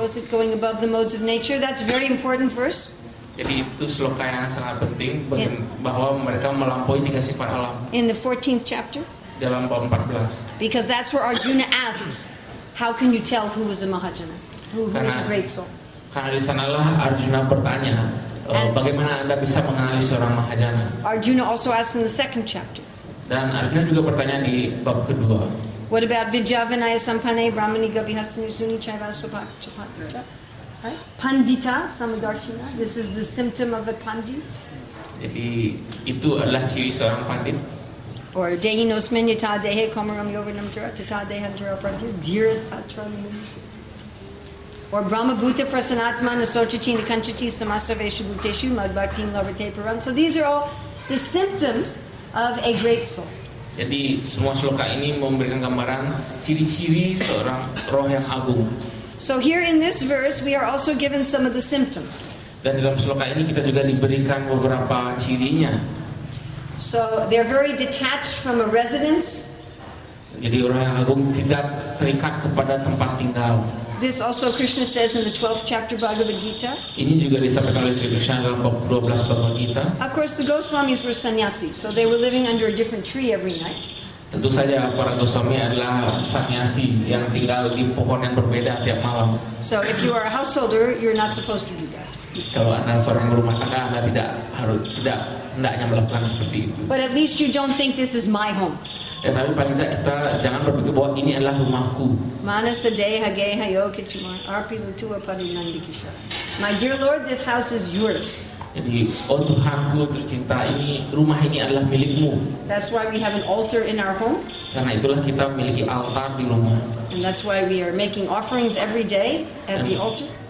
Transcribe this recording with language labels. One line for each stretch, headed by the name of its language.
English: Going above the modes of nature, that's very important verse.
Indonesian: Jadi itu sloka yang sangat penting bahwa mereka melampaui tiga sifat alam.
English: In the 14th chapter.
Indonesian: Dalam bab 14.
English: Because that's where Arjuna asks, how can you tell who was a mahajana, who is a great soul?
Indonesian: Karena di sanalah Arjuna bertanya, bagaimana Anda bisa mengenali seorang mahajana?
English: Arjuna also asked in the second chapter.
Indonesian: Dan Arjuna juga bertanya di bab kedua.
English: What about
Sanskrit: Vijayavinaya Sampane Brahmani Gabihasthani Suni Chaivaswapak Chapatita? Pandita Samadarshina.
English: This is the symptom of a pandit.
Indonesian: Jadi itu adalah ciri seorang pandit.
Sanskrit: Or Dehino Smenyata Dehe Komaram Yovanam Jura Tata Dehantara Pradhyo Dhiras Patranam. Or Brahma Bhuta Prasanatma Nasochachina Kanchati Samasavesha Bhuteshu Madhbhaktin Lavate Param.
English: So these are all the symptoms of a great soul.
Indonesian: Jadi semua sloka ini memberikan gambaran ciri-ciri seorang roh yang agung.
English: So here in this verse we are also given some of the symptoms.
Indonesian: Dan dalam sloka ini kita juga diberikan beberapa cirinya.
English: So they're very detached from a residence.
Indonesian: Jadi orang yang agung tidak terikat kepada tempat tinggal.
English: This also Krishna says in the 12th chapter Bhagavad Gita.
Indonesian: Ini juga disampaikan oleh Sri Krishna dalam bab 12 Bhagavad Gita.
English: Of course, the Goswamis were sannyasi, so they were living under a different tree every night.
Indonesian: Tentu saja para Goswami adalah sannyasi yang tinggal di pohon yang berbeda tiap malam.
English: So if you are a householder, you're not supposed to do that.
Indonesian: Kalau Anda seorang rumah tangga, Anda tidak harus tidak hendaknya melakukan seperti itu.
English: But at least you don't think this is my home.
Indonesian: Ya, tapi paling tidak kita jangan berpikir bahwa ini adalah rumahku.
Sanskrit: Manasa deha geha yokichumar arpi lutua padi nandikisha.
English: My dear Lord, this house is yours.
Indonesian: Jadi, oh Tuhanku tercinta, ini rumah ini adalah milikmu.
English: That's why we have an altar in our home.
Indonesian: Karena itulah kita memiliki altar di rumah.
English: And that's why we are making offerings every day at the altar.